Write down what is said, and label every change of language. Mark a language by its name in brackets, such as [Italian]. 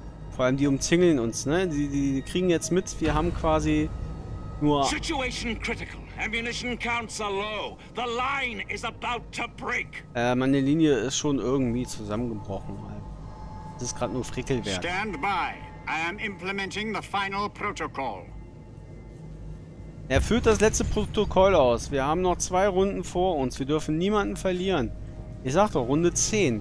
[German] Vor allem die umzingeln uns, ne? Die kriegen jetzt mit, wir haben quasi nur... [English] Situation critical. Ammunition counts are low. The line is about to break. [German] Meine Linie ist schon irgendwie zusammengebrochen. Das ist gerade nur Frickelwert. [English] Stand by. I am implementing the final protocol. [German] Er führt das letzte Protokoll aus. Wir haben noch 2 Runden vor uns. Wir dürfen niemanden verlieren. Ich sag doch, Runde 10.